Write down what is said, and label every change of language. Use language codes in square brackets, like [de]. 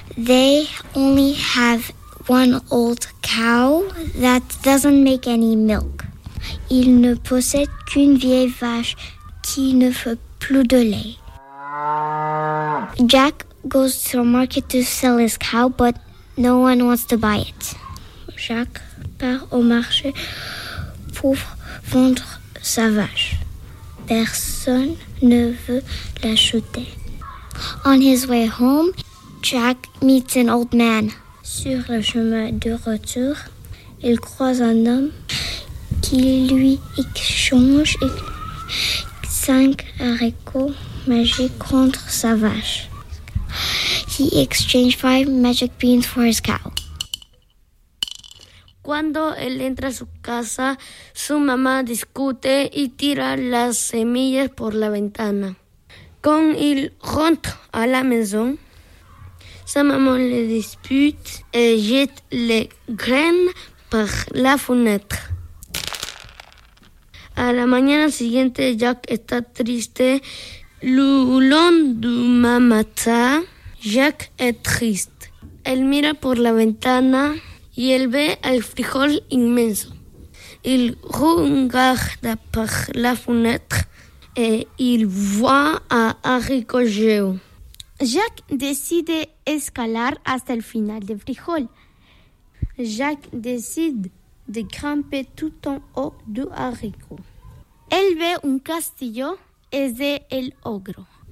[en] They only have one old cow that doesn't make any milk. [fr] Il ne possède qu'une vieille vache qui ne fait plus de lait. [en] Jack goes to the market to sell his cow, but no one wants to buy it. [fr] Jacques part au marché pour vendre sa vache. Personne ne veut l'acheter. [en] On his way home, Jack meets an old man. [fr] Sur le chemin de retour, il croise un homme qui lui échange 5 haricots magiques contre sa vache. [en] He exchanged 5 magic beans for his cow. [es] Cuando él entra a su casa, su mamá discute y tira las semillas por la ventana. [fr] Quand il rentre à la maison, sa maman le dispute et jette les graines par la fenêtre. [es] À la mañana siguiente, Jack está triste. [fr] Le lendemain matin, Jack est triste. [es] Él mira por la ventana y él ve al frijol inmenso. [fr] Il regarde par la fenêtre et il voit un haricot géant. [es] Jack décide escalar hasta el final del frijol. [fr] Jack décide de grimper tout en haut du haricot. [es] Él ve un castillo [fr] et c'est [es] el ogro.